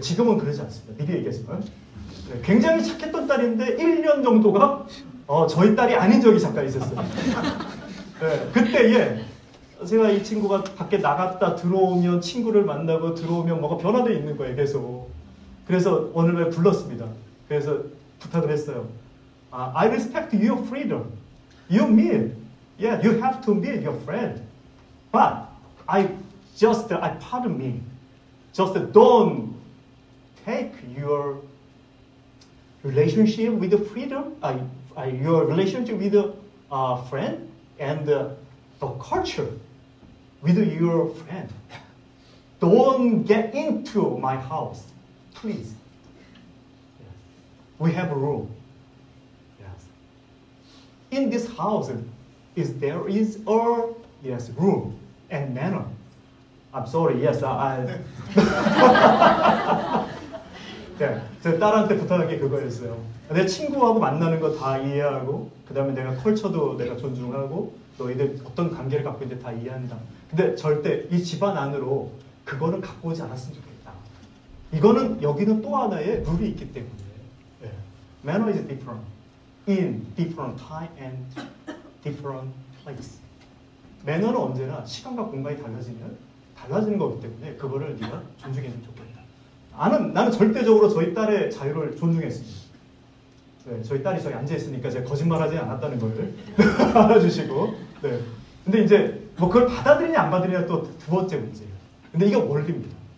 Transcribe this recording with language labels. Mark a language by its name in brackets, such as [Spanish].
[Korean] 지금은 그러지 않습니다. 미리 얘기했지만. 네. 굉장히 착했던 딸인데 1년 정도가 저희 딸이 아닌 적이 잠깐 있었어요. 네. 그때 예. 제가 이 친구가 밖에 나갔다 들어오면 친구를 만나고 들어오면 뭐가 변화되어 있는 거예요. 계속. 그래서 오늘 왜 불렀습니다. 그래서 부탁을 했어요. [English] I respect your freedom. You mean, yeah, you have to meet your friend. But pardon me. Just don't take your relationship with the freedom, your relationship with a friend and the culture. With your friend. Don't get into my house, please. Yes. We have a room. Yes. In this house, there is a room and manner. I'm sorry, yes, I. [Korean] 네, 제 딸한테 부탁한 게 그거였어요. 내 친구하고 만나는 거 다 이해하고, 그 다음에 내가 컬처도 내가 존중하고, 너희들 어떤 관계를 갖고 있는지 다 이해한다. 근데 절대 이 집안 안으로 그거를 갖고 오지 않았으면 좋겠다. 이거는 여기는 또 하나의 룰이 있기 때문에. 네. [English] Manner is different in different time and different place. [Korean] 매너는 언제나 시간과 공간이 달라지는 거기 때문에 그거를 네가 존중했으면 좋겠다. 나는 절대적으로 저희 딸의 자유를 존중했습니다. 네, 저희 딸이 저기 앉아있으니까 제가 거짓말하지 않았다는 걸 알아주시고. 네. 근데 이제 뭐 그걸 받아들이냐 안 받아들이냐 또 두 번째 문제예요. 근데 이게 원리입니다.